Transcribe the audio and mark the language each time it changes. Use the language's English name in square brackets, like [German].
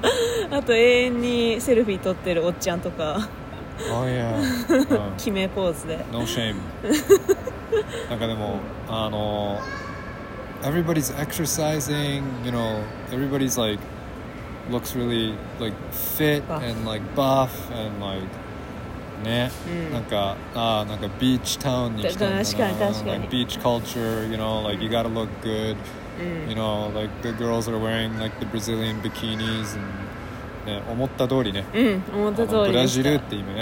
[Japanese] じゃない。私ゲイの人たち見てんの面白かった。めっちゃ面白かったよ。面白かった。それのせいかな。あの進撃の巨人みたいに走ってたリチャみたいな。いたいたいた。あと永遠にセルフィー撮ってるおっちゃんとか。 [English] Everybody's exercising, you know, everybody's like looks really like fit and like buff and like beach town like beach culture, you know, like you gotta look good. You know, like the girls are wearing like the Brazilian bikinis and [Japanese] ね、思った通りね。うん、思った通りでした。ブラジルって意味。